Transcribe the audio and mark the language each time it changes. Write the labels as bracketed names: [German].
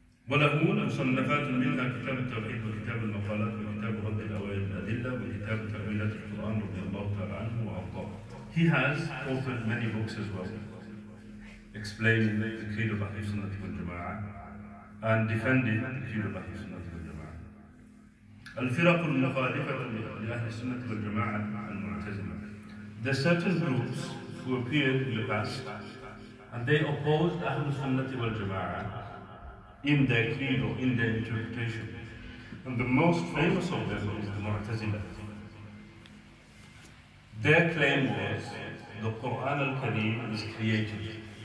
[Arabic] وله المصنفات منها كتاب التوحيد وكتاب المقالات وكتاب رد الأوائل الأدلة وكتاب تأويلات القرآن رضي الله تعالى عنه وأرضاه. [English] He has authored many books as well, explaining the Creed of Ahlus Sunnah wal Jama'ah and defending the Creed of Ahlus Sunnah wal Jama'ah. [Arabic] الفرق المخالفة لأهل السنة والجماعة المعتزلة. [English] There are certain groups who appeared in the past and they opposed Ahlus Sunnah wal Jama'ah in their creed or in their interpretation. And the most famous of them is the Mu'tazila. Their claim was, the Qur'an al-Kareem is created.